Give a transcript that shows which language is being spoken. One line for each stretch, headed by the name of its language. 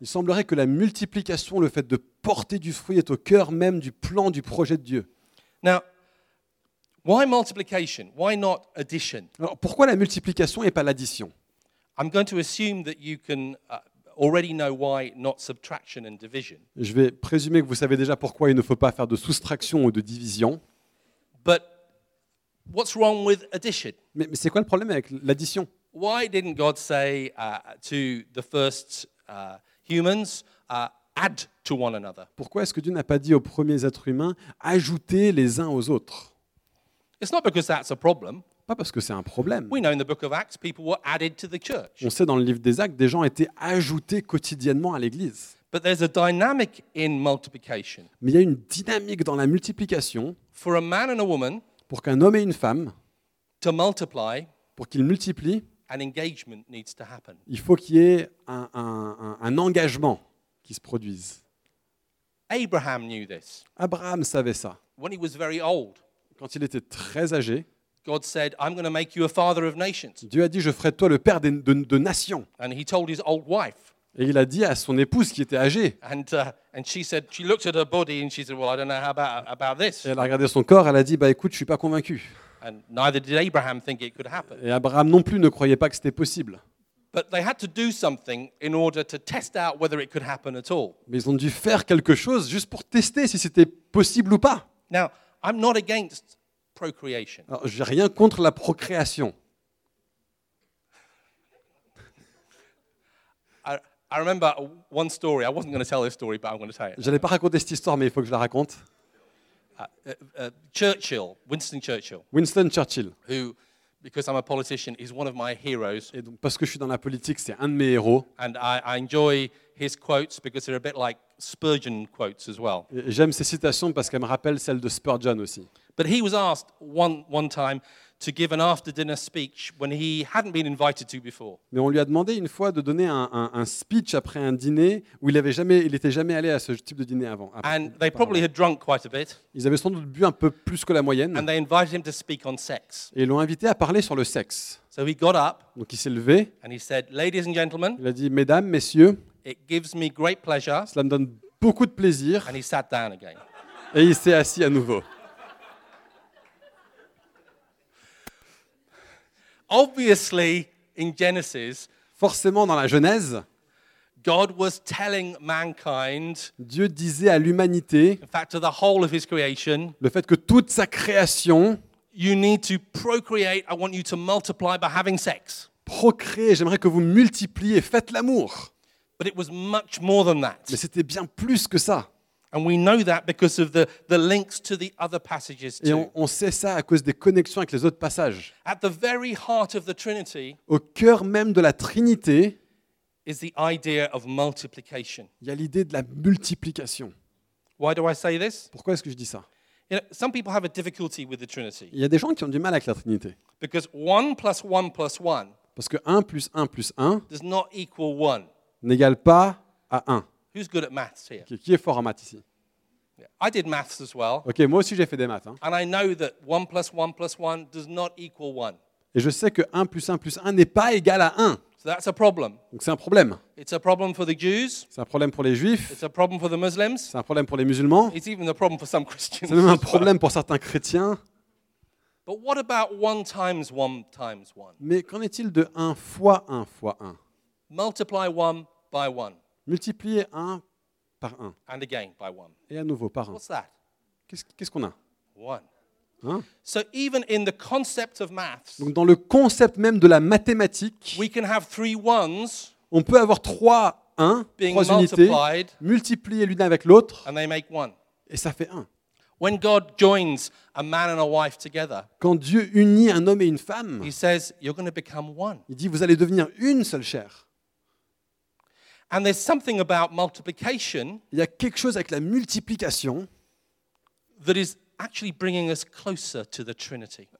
French: Il semblerait que la multiplication, le fait de porter du fruit, est au cœur même du plan, du projet de Dieu.
English: Now, why multiplication? Why not addition?
French: Alors, pourquoi la multiplication et pas l'addition?
English: I'm going to assume that you can already know why not subtraction and division.
French: Je vais présumer que vous savez déjà pourquoi il ne faut pas faire de soustraction ou de division.
English: But what's wrong with addition?
French: Mais c'est quoi le problème avec l'addition?
English: Why didn't God say to the first humans add to one another?
French: Pourquoi est-ce que Dieu n'a pas dit aux premiers êtres humains ajoutez les uns aux autres?
English: It's not because that's a problem.
French: Pas parce que c'est un problème. On sait dans le livre des Actes, des gens étaient ajoutés quotidiennement à l'église.
English: But there's a dynamic in multiplication.
French: Mais il y a une dynamique dans la multiplication
English: for a man and a woman,
French: pour qu'un homme et une femme
English: to multiply,
French: pour qu'ils multiplient,
English: an engagement needs to happen.
French: Il faut qu'il y ait un engagement qui se produise.
English: Abraham knew this.
French: Abraham savait ça.
English: When he was very old.
French: Quand il était très âgé,
English: God said, I'm going to make you a father of nations.
French: Dieu a dit, je ferai de toi le père de nations.
English: And he told his old wife.
French: Et il a dit à son épouse qui était âgée.
English: And she said, she looked at her body and she said, well, I don't know about this.
French: Et elle a regardé son corps, elle a dit, bah écoute, je suis pas convaincu.
English: And neither did Abraham think it could happen.
French: Et Abraham non plus ne croyait pas que c'était possible.
English: But they had to do something in order to test out whether it could happen at all.
French: Mais ils ont dû faire quelque chose juste pour tester si c'était possible ou pas.
English: Now, I'm not against procreation.
French: Alors, j'ai rien contre la procréation.
English: I remember one story. I wasn't going to tell this story, but I'm going to tell it.
French: J'allais pas raconter cette histoire, mais il faut que je la raconte.
English: Churchill, Winston Churchill.
French: Winston Churchill.
English: Who, because I'm a politician, is one of my heroes.
French: Et donc, parce que je suis dans la politique, c'est un de mes héros.
English: And I enjoy his quotes because they're a bit like Spurgeon quotes as well.
French: Et j'aime ses citations parce qu'elles me rappellent celles de Spurgeon aussi.
English: But he was asked one time to give an after-dinner speech when he hadn't been invited to before.
French: Mais on lui a demandé une fois de donner un speech après un dîner où il n'était jamais allé à ce type de dîner avant.
English: And they probably had drunk quite a bit.
French: Ils avaient sans doute bu un peu plus que la moyenne.
English: And they invited him to speak on sex.
French: Et ils l'ont invité à parler sur le sexe.
English: So he got up.
French: Donc il s'est levé.
English: And he said, "Ladies and gentlemen."
French: Il a dit, mesdames, messieurs.
English: It gives me great pleasure.
French: Cela me donne beaucoup de plaisir.
English: And he sat down again.
French: Et il s'est assis à nouveau.
English: Obviously, in Genesis,
French: forcément dans la Genèse,
English: God was telling mankind,
French: Dieu disait à l'humanité,
English: in fact, to the whole of his creation,
French: le fait que toute sa création,
English: you need to procreate, I want you to multiply by having sex.
French: Procréer, j'aimerais que vous multipliez, faites l'amour.
English: But it was much more than that.
French: Mais c'était bien plus que ça.
English: And we know that because of the links to the other passages too.
French: Et on sait ça à cause des connexions avec les autres passages.
English: At the very heart of the Trinity,
French: au cœur même de la Trinité,
English: is the idea of multiplication.
French: Il y a l'idée de la multiplication.
English: Why do I say this?
French: Pourquoi est-ce que je dis ça?
English: You know, some people have a difficulty with the Trinity.
French: Il y a des gens qui ont du mal avec la Trinité.
English: Because 1 plus 1 plus 1.
French: Parce que 1 plus 1 plus 1
English: does not equal 1.
French: N'égale pas à 1.
English: Who's good at maths here?
French: Okay, qui est fort en maths ici?
English: I did maths as well.
French: OK, moi aussi j'ai fait des maths, hein.
English: And I know that 1 plus 1 plus 1 does not equal 1.
French: Et je sais que 1 plus 1 plus 1 n'est pas égal à 1.
English: So that's a problem.
French: Donc c'est un problème.
English: It's a problem for the Jews.
French: C'est un problème pour les Juifs.
English: It's a problem for the Muslims.
French: C'est un problème pour les musulmans.
English: It's even a problem for some Christians.
French: C'est même un problème pour certains chrétiens.
English: But what about 1 times 1 times 1?
French: Mais qu'en est-il de 1 fois 1 fois 1?
English: Multiply 1 by 1.
French: Multiplier 1 par 1.
English: And again by 1.
French: Et à nouveau par 1.
English: What's that?
French: Qu'est-ce qu'on a?
English: 1.
French: Hein?
English: So even in the concept of maths,
French: donc dans le concept même de la mathématique,
English: we can have three ones,
French: on peut avoir trois 1, trois unités, multipliées l'une avec l'autre,
English: and they make one.
French: Et ça fait 1.
English: When God joins a man and a wife together,
French: quand Dieu unit un homme et une femme,
English: he says, you're going to become one.
French: Il dit, vous allez devenir une seule chair.
English: And there's something about multiplication,
French: il y a quelque chose avec la multiplication
English: that is actually bringing us closer to the Trinity.